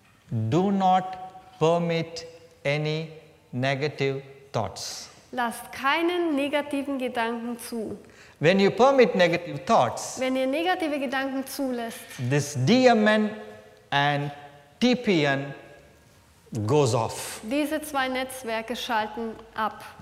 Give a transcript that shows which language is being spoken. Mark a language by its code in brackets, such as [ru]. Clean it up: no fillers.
[en] Do not permit any negative thoughts. [de] Lasst keinen negativen Gedanken zu. [en] When you permit negative thoughts, [de] wenn ihr negative Gedanken zulässt, [en] this DMN and TPN goes off. [de] Diese zwei Netzwerke schalten ab.